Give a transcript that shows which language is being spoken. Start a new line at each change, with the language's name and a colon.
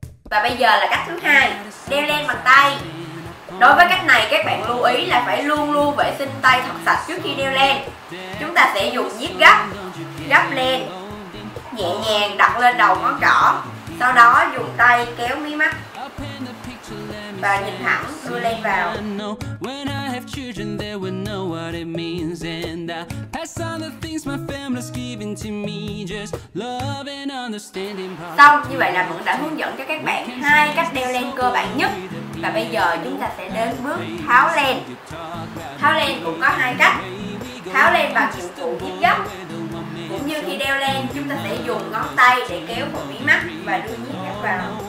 Vietnamese: Và bây giờ là cách thứ hai, đeo len bằng tay. Đối với cách này, các bạn lưu ý là phải luôn luôn vệ sinh tay thật sạch trước khi đeo len. Chúng ta sẽ dùng nhíp gấp, gấp len, nhẹ nhàng đặt lên đầu ngón trỏ, sau đó dùng tay kéo mí mắt và nhìn thẳng, đưa len vào.
English: Children, they would know what it means, and I pass on the things my family's given to me, just love and understanding.
Vietnamese: Xong, như vậy là Mẫn đã hướng dẫn cho các bạn hai cách đeo len cơ bản nhất. Và bây giờ chúng ta sẽ đến bước tháo len. Tháo len cũng có hai cách. Tháo len bằng dụng cụ nhíp gấp. Cũng như khi đeo len, chúng ta sẽ dùng ngón tay để kéo phần mí mắt và đưa nhíp gấp vào.